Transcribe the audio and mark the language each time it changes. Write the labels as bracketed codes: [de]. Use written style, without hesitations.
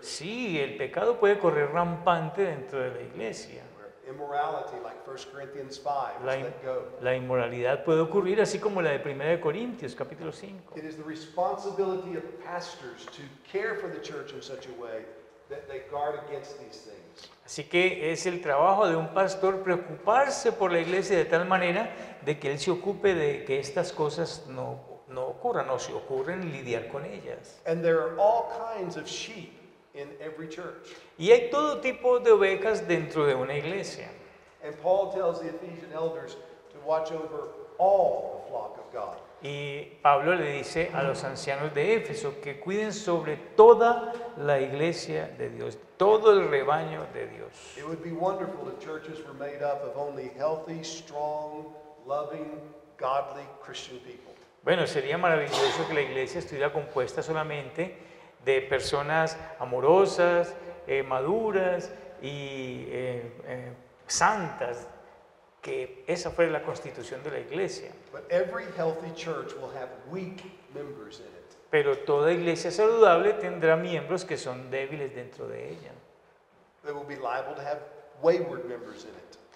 [es] Sí, el pecado puede correr rampante dentro de la iglesia. [en] Immorality, like 1 Corinthians 5, [es] la inmoralidad puede ocurrir así como la de 1 Corintios capítulo 5. [en] It is the responsibility of pastors to care for the church in such a way that they guard against these things. [es] Así que es el trabajo de un pastor preocuparse por la iglesia de tal manera de que él se ocupe de que estas cosas no ocurran, o si ocurren, lidiar con ellas. [en] And there are all kinds of sheep in every church. [es] Y hay todo tipo de ovejas dentro de una iglesia. [en] And Paul tells the Ephesian elders to watch over all the flock of God. [es] Y Pablo le dice a los ancianos de Éfeso que cuiden sobre toda la iglesia de Dios, todo el rebaño de Dios. [en] It would be wonderful if churches were made up of only healthy, strong, loving, godly Christian people. [es] Bueno, sería maravilloso que la iglesia estuviera compuesta solamente de personas amorosas, maduras y santas, que esa fuera la constitución de la iglesia. [en] But every healthy church will have weak members in it. [es] Pero toda iglesia saludable tendrá miembros que son débiles dentro de ella. [en] They will be liable to have wayward members in it.